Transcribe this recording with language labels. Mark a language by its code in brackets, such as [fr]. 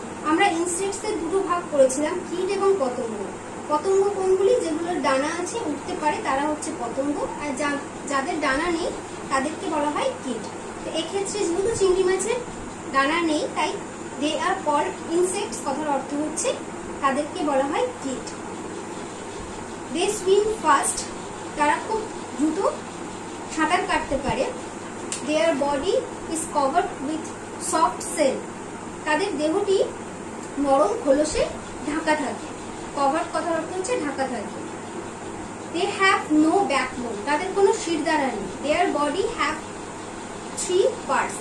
[bn] আমরা ইনসেক্টসের দুটো ভাগ করেছিলাম, কীট এবং পতঙ্গ। পতঙ্গ কোনগুলি, যেগুলোর ডানা আছে উঠতে পারে তারা হচ্ছে পতঙ্গ, আর যাদের ডানা নেই তাদেরকে বলা হয় কীট। তো এক্ষেত্রে যেহেতু চিংড়ি মাছের ডানা নেই, তাই [en] they are call insects [bn] কথার অর্থ হচ্ছে তাদেরকে বলা হয় কীট। [en] they swim fast, [bn] তারা খুব দ্রুত সাঁতার কাটতে পারে, [en] their body is covered with soft shell. [bn] তাদের দেহটি নরম খোলসে ঢাকা থাকে. Covered কথার অর্থ হচ্ছে ঢাকা থাকে. [en] They have no backbone. [bn] তাদের কোনো শিরদাঁড়া নেই. [en] Their body have three parts.